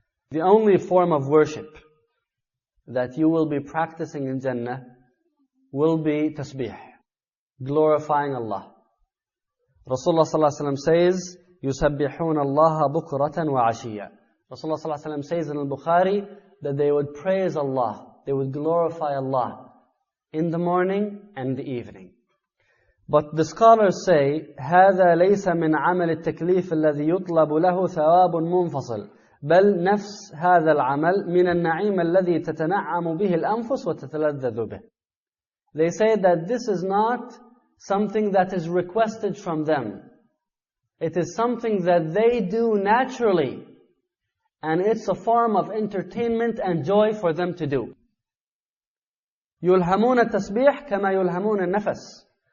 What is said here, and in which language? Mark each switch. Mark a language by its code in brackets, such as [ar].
[en] The only form of worship that you will be practicing in Jannah will be tasbih, glorifying Allah. Rasulullah sallallahu alaihi wasallam says, [ar] يُسَبِّحُونَ اللَّهَ بُكْرَةً وَعَشِيًّا. [en] Rasulullah sallallahu alaihi wasallam says in al-Bukhari that they would praise Allah, they would glorify Allah in the morning and the evening. But the scholars say, [ar] هَذَا لَيْسَ مِنْ عَمَلِ التَّكْلِيفِ الَّذِي يُطْلَبُ لَهُ ثَوَابٌ مُنْفَصِلٌ بَلْ نَفْسْ هَذَا الْعَمَلْ مِنَ النَّعِيمَ الَّذِي تَتَنَعَّمُ بِهِ الْأَنفُسُ وَتَتَلَذَّذُ بِهِ. [en] They say that this is not something that is requested from them. It is something that they do naturally, and it's a form of entertainment and joy for them to do. [ar] يُلْهَمُونَ التَّسْبِيحِ كَمَا يُلْهَمُونَ النَّفَسِ.